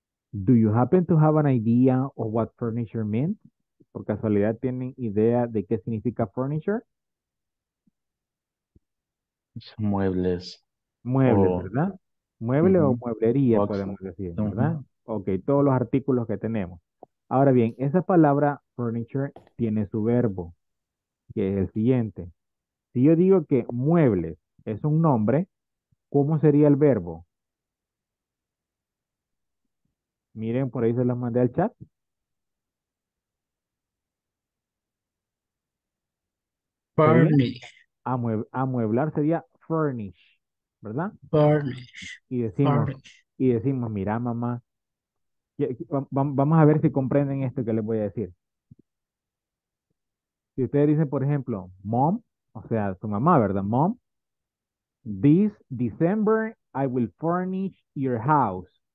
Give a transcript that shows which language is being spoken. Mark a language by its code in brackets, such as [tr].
[en] Do you happen to have an idea of what furniture means? [es] ¿Por casualidad tienen idea de qué significa furniture? Muebles. Muebles, oh. ¿Verdad? Mueble uh-huh. O mueblería, box. Podemos decir, ¿verdad? Uh-huh. Ok, todos los artículos que tenemos. Ahora bien, esa palabra furniture tiene su verbo, que es el siguiente. Si yo digo que muebles es un nombre, ¿cómo sería el verbo? Miren, por ahí se los mandé al chat. [en] Furnish. [es] Amueblar sería furnish, ¿verdad? [en] Furnish. [es] Y decimos, mira, mamá. Vamos a ver si comprenden esto que les voy a decir. Si ustedes dicen, por ejemplo, mom, o sea, su mamá, ¿verdad? [en] Mom, this December I will furnish your house.